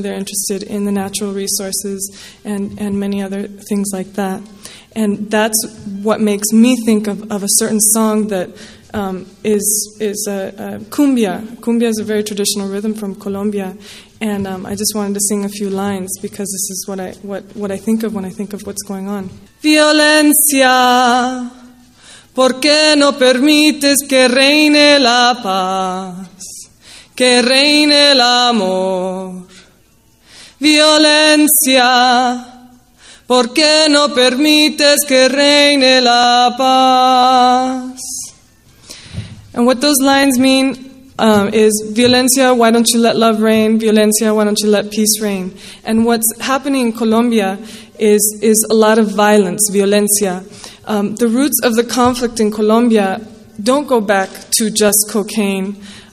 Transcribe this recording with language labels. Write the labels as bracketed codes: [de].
[en] They're interested in the natural resources and many other things like that. And that's what makes me think of a certain song that is a cumbia. Cumbia is a very traditional rhythm from Colombia. And I just wanted to sing a few lines because this is what I think of when I think of what's going on. [es] Violencia, ¿por qué no permites que reine la paz, que reine el amor? Violencia, ¿por qué no permites que reine la paz? [en] And what those lines mean is violencia, why don't you let love reign? Violencia, why don't you let peace reign? And what's happening in Colombia is a lot of violence, violencia. The roots of the conflict in Colombia don't go back to just cocaine.